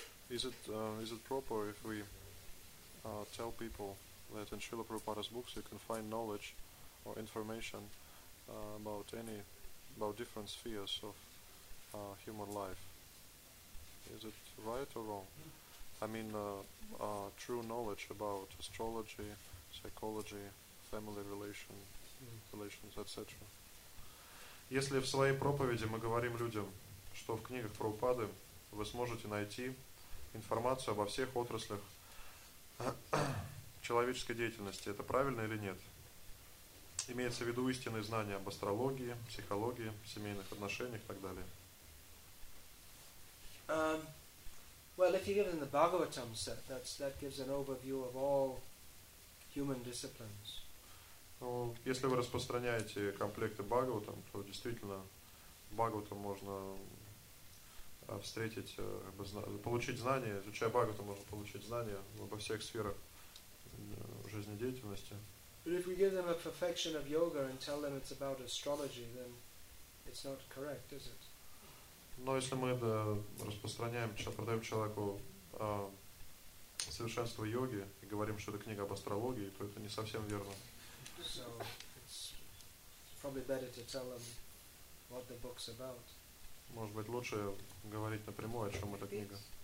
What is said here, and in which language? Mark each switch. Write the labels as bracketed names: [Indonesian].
[English] Is it proper if we tell people that in Srila Prabhupada's books you can find knowledge or information about different spheres of human life? Is it right or wrong? I mean, true knowledge about astrology, psychology, family relations, etc. [Russian] Если в своей проповеди мы говорим людям, что в книгах Прабхупады вы сможете найти информацию обо всех отраслях человеческой деятельности, это правильно или нет? Имеется в виду истинные знания об астрологии, психологии, семейных отношениях и так далее. [English] Well, if you give them the Bhagavatam set, that gives an overview of all human disciplines. [Russian] Ну, если вы распространяете комплекты Бхагаватам, то действительно Бхагаватам можно встретить, получить знания, изучая Бхагаватам, можно получить знания обо всех сферах жизнедеятельности. [English] But if we give them a perfection of yoga and tell them it's about astrology, then it's not correct, is it? [Russian] Но если мы распространяем, продаем человеку совершенство йоги и говорим, что это книга об астрологии, то это не совсем верно. [English] So it's probably better to tell them what the book's about. [Russian] Может быть, лучше говорить напрямую, о чем эта книга.